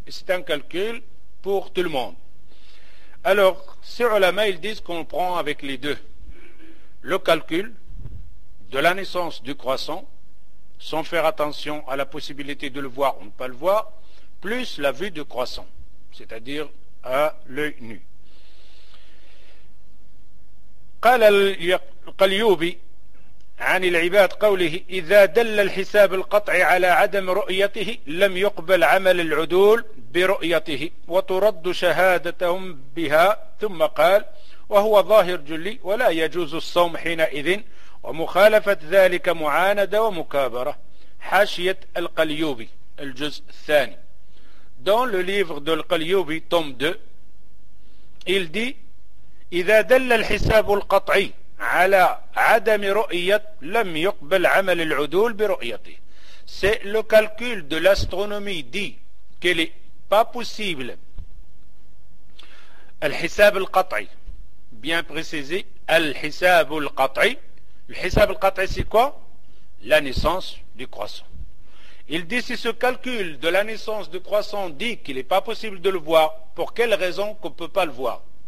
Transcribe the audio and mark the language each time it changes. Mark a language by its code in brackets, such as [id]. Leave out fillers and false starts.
[fr] C'est un calcul pour tout le monde. Alors, ces ulama, ils disent qu'on prend avec les deux. Le calcul de la naissance du croissant, sans faire attention à la possibilité de le voir ou ne pas le voir, plus la vue du croissant, c'est-à-dire à l'œil nu. [ar] قال القليوبي عن العباد قوله إذا دل الحساب القطعي على عدم رؤيته لم يقبل عمل العدول برؤيته وترد شهادتهم بها ثم قال وهو ظاهر جلي ولا يجوز الصوم حينئذ ومخالفة ذلك معاندة ومكابرة حاشية القليوبي الجزء الثاني. [fr] Dans le livre de القليوبي tome 2, il dit [ar] إذا دل الحساب القطعي على عدم رؤية لم يقبل عمل العدول برؤيته. [fr] C'est le calcul de l'astronomie dit qu'il n'est pas possible [ar] الحساب القطعي. [fr] Bien précisé, al-hisab al-qat'i. Le hisab al-qat'i, c'est quoi? La naissance du croissant. Il dit, si ce calcul de la naissance du croissant dit qu'il n'est pas possible de le voir, pour quelle raison qu'on ne peut pas le voir?